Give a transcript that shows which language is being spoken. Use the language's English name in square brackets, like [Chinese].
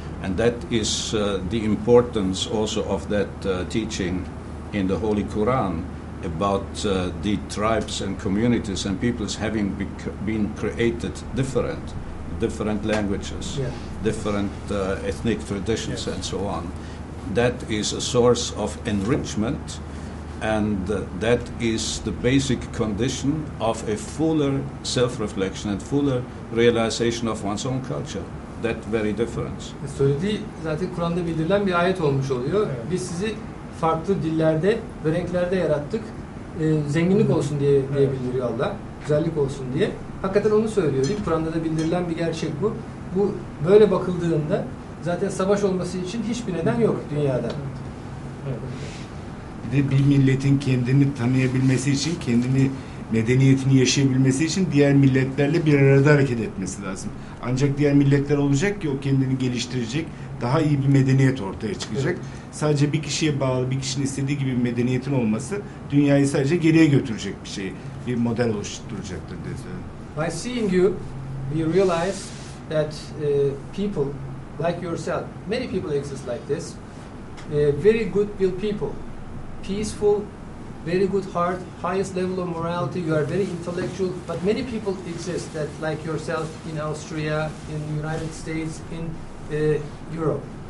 [English] And that is the importance also of that teaching in the Holy Quran about the tribes and communities and peoples having been created different languages, yeah, different ethnic traditions, yes, and so on. That is a source of enrichment, and that is the basic condition of a fuller self-reflection and fuller realization of one's own culture. That very difference. [Turkish] Söylediği zaten Kur'an'da bildirilen bir ayet olmuş oluyor. Evet. Biz sizi farklı dillerde ve renklerde yarattık. Zenginlik olsun diye, evet, diye bildiriyor Allah. Güzellik olsun diye. Hakikaten onu söylüyor değil mi? Kur'an'da da bildirilen bir gerçek bu. Bu böyle bakıldığında zaten savaş olması için hiçbir neden yok dünyada. Bir de bir milletin kendini tanıyabilmesi için, kendini, medeniyetini yaşayabilmesi için diğer milletlerle bir arada hareket etmesi lazım. Ancak diğer milletler olacak ki o kendini geliştirecek, daha iyi bir medeniyet ortaya çıkacak. Evet. Sadece bir kişiye bağlı, bir kişinin istediği gibi medeniyetin olması dünyayı sadece geriye götürecek bir şey, bir model oluşturacaktır dedi. [English] By seeing you, we realize that people like yourself, many people exist like this, very good will people, peaceful, very good heart, highest level of morality, you are very intellectual, but many people exist that like yourself in Austria, in the United States, in Europe.